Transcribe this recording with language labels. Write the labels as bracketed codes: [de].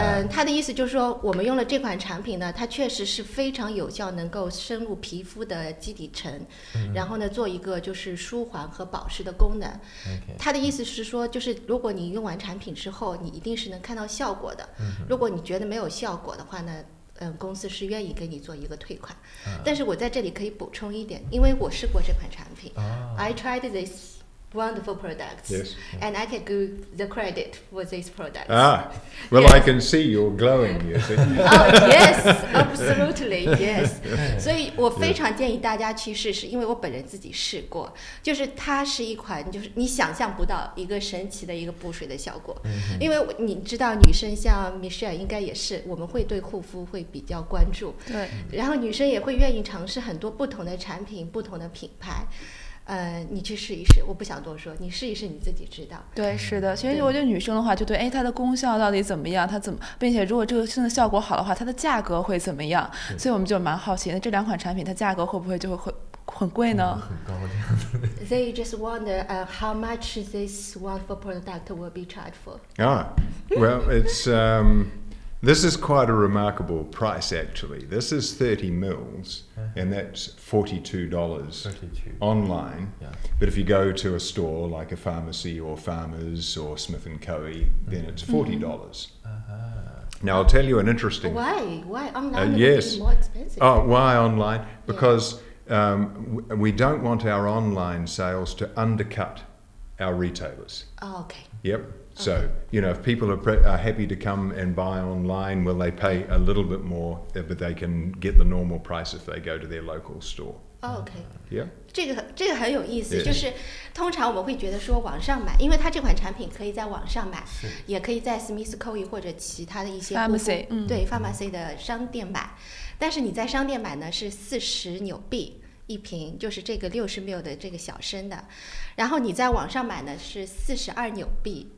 [zh] 他的意思就是说，我们用了这款产品呢，它确实是非常有效，能够深入皮肤的基底层，然后呢，做一个就是舒缓和保湿的功能。他的意思是说，就是如果你用完产品之后，你一定是能看到效果的。如果你觉得没有效果的话呢？公司是愿意给你做一个退款，但是我在这里可以补充一点，因为我试过这款产品。 [en] I tried this. Wonderful products. Yes. And I can give the credit for this product. Ah, well, yes. I can see you're glowing, you see. Oh, yes, absolutely, yes. [zh] 所以我非常建议大家去试试，因为我本人自己试过，就是它是一款，就是你想象不到一个神奇的一个补水的效果。因为你知道女生像 Michelle 应该也是，我们会对护肤会比较关注。对。然后女生也会愿意尝试很多不同的产品，不同的品牌。你去试一试，我不想多说，你试一试你自己知道。对，是的，其实我觉得女生的话就对，哎，它的功效到底怎么样，它怎么，并且如果这个真的效果好的话，它的价格会怎么样，所以我们就蛮好奇的，这两款产品它价格会不会就会很贵呢？很高的样子。 [en] They just wonder how much this wonderful product will be charged for. Well, it's, this is quite a remarkable price, actually. This is 30 mils, and that's $42 online. Yeah. But if you go to a store like a pharmacy or Farmers or Smith & Co., then it's $40. Uh-huh. Now, I'll tell you an interesting... Why online is it more expensive? Oh, why online? Because we don't want our online sales to undercut our retailers. Oh, okay. Yep. So, you know, if people are happy to come and buy online, well, they pay a little bit more, but they can get the normal price if they go to their local store. Oh, okay. Yeah. [zh] 这个很有意思，就是通常我们会觉得说网上买，因为它这款产品可以在网上买，也可以在 Smith Coe 或者其他的一些 [en] pharmacy [zh] 对 pharmacy 的商店买，但是你在商店买呢是40纽币。一瓶就是这个60ml的这个小升的，然后你在网上买呢是42纽币，